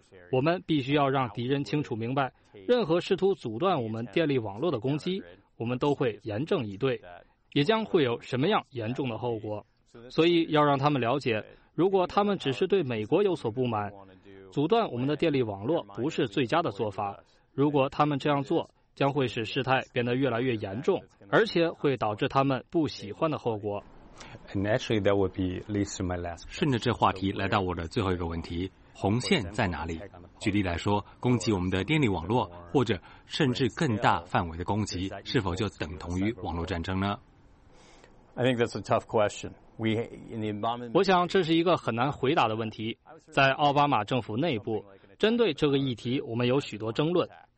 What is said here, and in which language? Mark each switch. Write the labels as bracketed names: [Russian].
[Chinese] 我们必须要让敌人清楚明白，任何试图阻断我们电力网络的攻击，我们都会严正以对，也将会有什么样严重的后果。所以要让他们了解，如果他们只是对美国有所不满，阻断我们的电力网络不是最佳的做法。如果他们这样做，将会使事态变得越来越严重，而且会导致他们不喜欢的后果。 [English] And actually, that would be leads to my last. [Chinese] 顺着这话题来到我的最后一个问题。红线在哪里？举例来说，攻击我们的电力网络，或者甚至更大范围的攻击，是否就等同于网络战争呢？ [English] I think that's a tough question. [Chinese] 我想这是一个很难回答的问题。在奥巴马政府内部，针对这个议题，我们有许多争论。